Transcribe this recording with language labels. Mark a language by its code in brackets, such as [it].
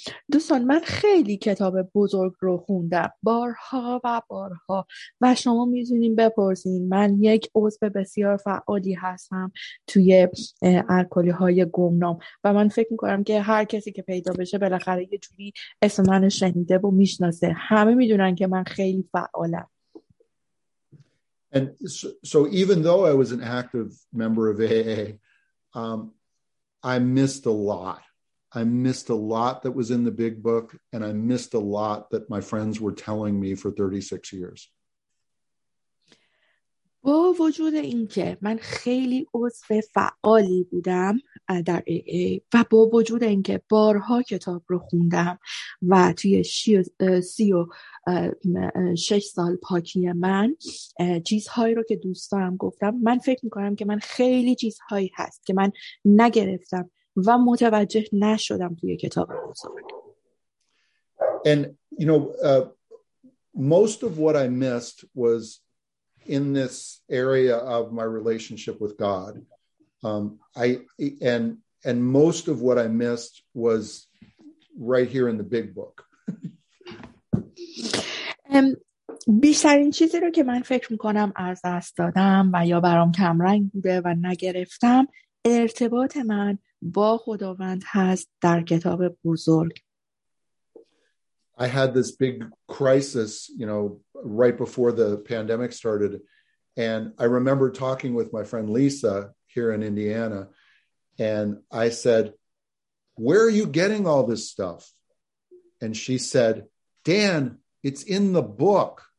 [fa] دوستان من خیلی کتاب بزرگ رو خوندم بارها و بارها و شما میتونین بپرسین من یک عضو بسیار فعالی هستم توی الکلی های گمنام و من فکر میکنم که هر کسی که پیدا بشه بالاخره یه جوری اسم من شنیده و میشناسه، همه میدونن که من خیلی فعالم. [en] And so even though I was an active member of AA, I missed a lot. I missed a lot that was in the big book, and I missed a lot that my friends were telling me for 36 years. [fa] با وجود اینکه من خیلی عضو فعالی بودم در AA و با وجود اینکه بارها کتاب رو خوندم و توی 36 سال پاکی من چیزهایی رو که دوستانم گفتم، من فکر می‌کنم که من خیلی چیزهایی هست که من نگرفتم و متوجه نشدم توی کتاب بزرگ. [en] And you know, most of what I missed was in this area of my relationship with God. I and most of what I missed was right here in the big book. [fa] بیشترین چیزی رو که من فکر میکنم از دست دادم و یا برام کمرنگ بوده و نگرفتم، ارتباط من با خداوند هست در کتاب بزرگ. [en] I had this big crisis, you know, right before the pandemic started, and I remember talking with my friend Lisa here in Indiana, and I said, "Where are you getting all this stuff?" And she said, "Dan, it's in the book."